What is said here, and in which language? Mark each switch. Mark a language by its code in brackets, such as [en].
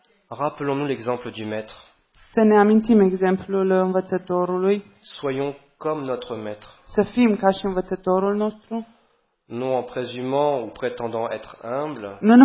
[fr] Rappelons-nous l'exemple du maître. [ro] Să ne amintim exemplul învățătorului. [fr] Soyons comme notre maître. [ro] Să fim ca și învățătorul nostru. [fr] Non en présumant ou prétendant être humble.